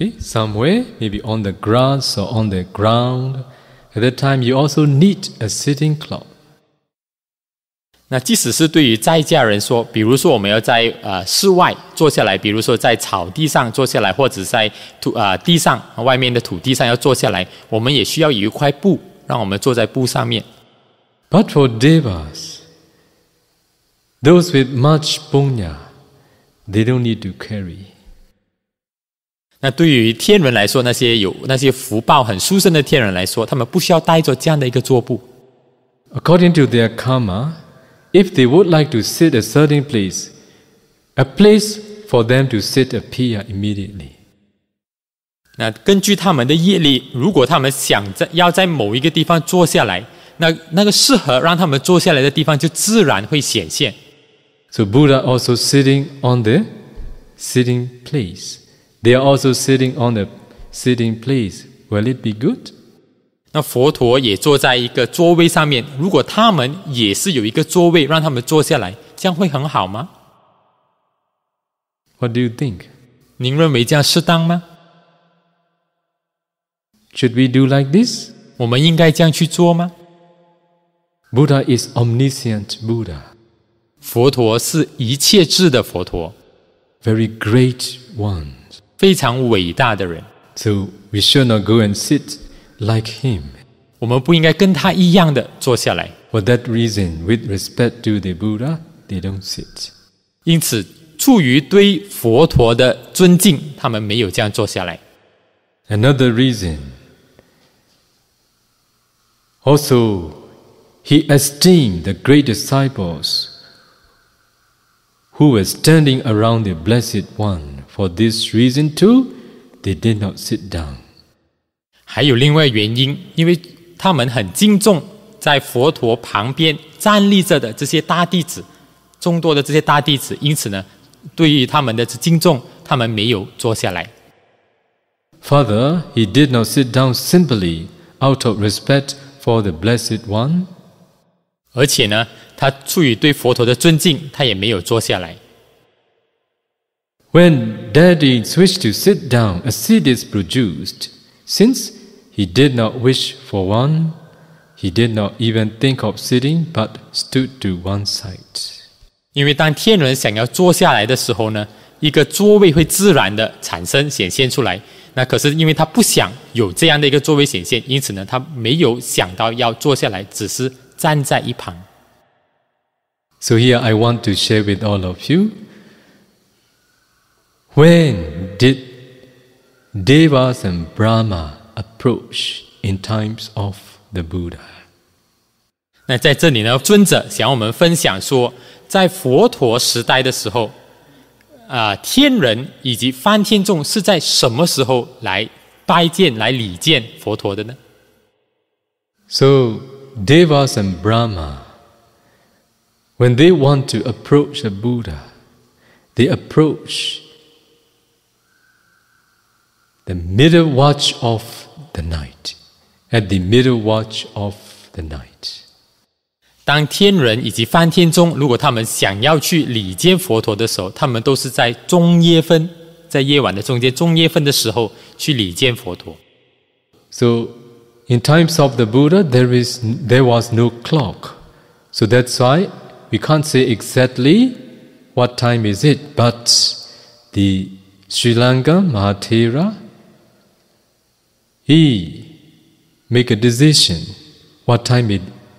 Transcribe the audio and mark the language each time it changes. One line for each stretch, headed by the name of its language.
English: Okay, somewhere, maybe on the grass or on the ground. At that time, you also need a sitting cloth.
Chinese: 那即使是对于在家人说，比如说我们要在室外坐下来，比如说在草地上坐下来，或者在地上外面的土地上要坐下来，我们也需要有一块布，让我们坐在布上面。
English: But for devas, those with much punya, they don't need to carry.
Chinese: 那对于天人来说，那些福报很殊胜的天人来说，他们不需要带着这样的一个桌布。
English: According to their karma, if they would like to sit a certain place, a place for them to sit appear immediately.
Chinese: 那根据他们的业力，如果他们想在要在某一个地方坐下来，那个适合让他们坐下来的地方就自然会显现。
English: So Buddha also sitting on the sitting place. They are also sitting on the sitting place. Will it be good?
Chinese: 那佛陀也坐在一个座位上面，如果他们也是有一个座位让他们坐下来，这样会很好吗？
English: What do you think?
Chinese: 您认为这样适当吗？
English: Should we do like this?
Chinese: 我们应该这样去做吗？
English: Buddha is omniscient Buddha.
Chinese: 佛陀是一切智的佛陀。
English: Very great one.
Chinese: 非常伟大的人。
English: So we should not go and sit like him.
Chinese: 我们不应该跟他一样的坐下来。
English: For that reason, with respect to the Buddha, they don't sit.
Chinese: 因此，出于对佛陀的尊敬，他们没有这样坐下来。
English: Another reason, also, he esteemed the great disciples who were standing around the Blessed One. For this reason too, they did not sit down.
Chinese: 还有另外原因，因为他们很敬重在佛陀旁边站立着的这些大弟子，众多的这些大弟子，因此呢，对于他们的敬重，他们没有坐下来。
English: Further, he did not sit down simply out of respect for the Blessed One.
Chinese: 而且呢，他出于对佛陀的尊敬，他也没有坐下来。
English: When Daddy wished to sit down, a seat is produced. Since he did not wish for one, he did not even think of sitting, but stood to one side.
Chinese: 因为当天人想要坐下来的时候呢，一个座位会自然的产生显现出来。那可是因为他不想有这样的一个座位显现，因此呢，他没有想到要坐下来，只是站在一旁。
English: So here I want to share with all of you. When did devas and Brahma approach in times of the Buddha?
Chinese: 那在这里呢，尊者想我们分享说，在佛陀时代的时候。天人以及梵天众是在什么时候来拜见、来礼见佛陀的呢？
English: So, devas and Brahma, when they want to approach the Buddha, they approach the middle watch of the night, at the middle watch of the night.
Chinese: 当天人以及梵天众，如果他们想要去礼见佛陀的时候，他们都是在中夜分，在夜晚的中间中夜分的时候去礼见佛陀。
English: So, in times of the Buddha, there was no clock. So that's why we can't say exactly what time is it. But the Sri Lanka Mahathera, he make a decision what time it is.